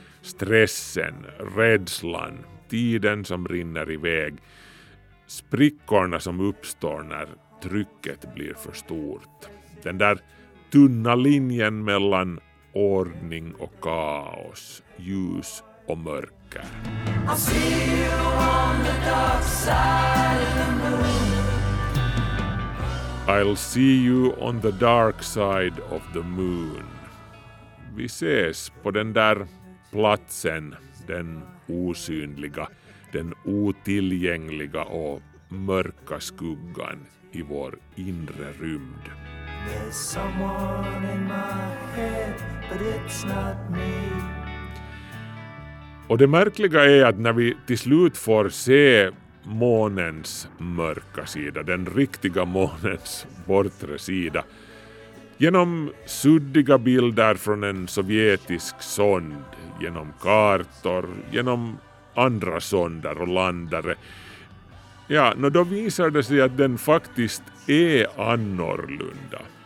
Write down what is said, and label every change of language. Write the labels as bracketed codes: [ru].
[sv] Stressen, rädslan, tiden som rinner iväg. Sprickorna som uppstår när trycket blir för stort. Den där tunna linjen mellan ordning och kaos, ljus och mörker. [en] I see you on the dark side of the moon. I'll see you on the dark side of the moon. [sv] Vi ses på den där platsen, den osynliga, den otillgängliga och mörka skuggan i vår inre rymd. [en] There's someone in my head, but it's not me. [sv] Och det märkliga är att när vi till slut får se månens mörka sida, den riktiga månens bortre sida, genom suddiga bilder från en sovjetisk sond, genom kartor, genom andra sonder och landare, ja, då visar det sig att den faktiskt är annorlunda.